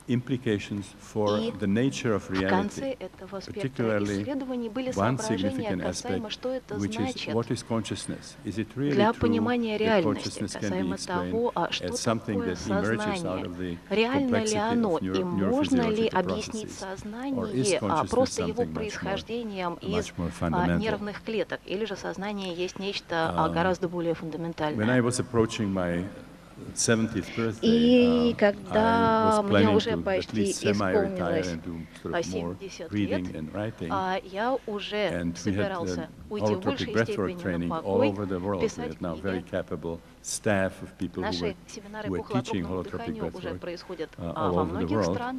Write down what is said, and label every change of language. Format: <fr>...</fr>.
<en>implications for the nature of reality, particularly one significant aspect, which is what is consciousness? Is it really true that consciousness can be explained as something that emerges out of the complexity of neurophysiological processes? Or is consciousness something much more fundamental?</en> <ru>Или же сознание есть нечто гораздо более фундаментальное?</ru> <en>When I was approaching my 70th birthday,</en> <ru>и когда мне уже почти исполнилось 70 лет, я уже собирался уйти в большей степени на покой, писать книги.</ru> <en>Staff of people who are teaching holotropic breathwork all over the world.</en>